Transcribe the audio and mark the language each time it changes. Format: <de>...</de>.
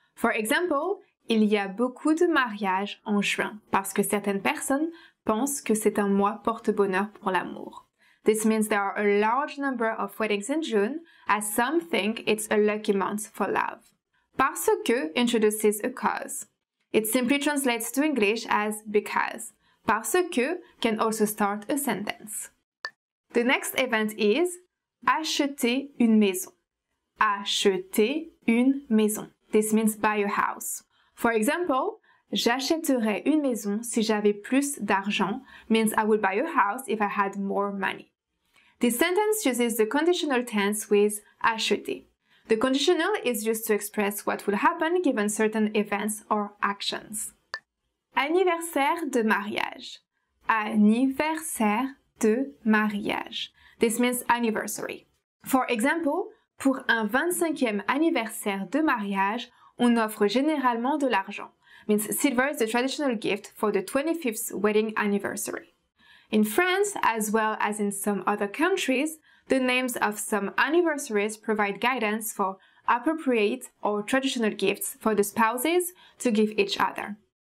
<en>For example,</en> <fr>il y a beaucoup de mariages en juin parce que certaines personnes pensent que c'est un mois porte-bonheur pour l'amour.</fr> <en>This means there are a large number of weddings in June as some think it's a lucky month for love. Parce que introduces a cause. It simply translates to English as because. Parce que can also start a sentence. The next event is</en> <fr>acheter une maison. Acheter une maison.</fr> <en>This means buy a house. For example,</en> <fr>j'achèterais une maison si j'avais plus d'argent</fr> <en>means I would buy a house if I had more money. This sentence uses the conditional tense with acheter. The conditional is used to express what will happen given certain events or actions.</en> <fr>Anniversaire de mariage. Anniversaire de mariage.</fr> <en>This means anniversary. For example,</en> <fr>pour un 25e anniversaire de mariage, on offre généralement de l'argent.</fr> <en>Means silver is the traditional gift for the 25th wedding anniversary. In France, as well as in some other countries, the names of some anniversaries provide guidance for appropriate or traditional gifts for the spouses to give each other.</en>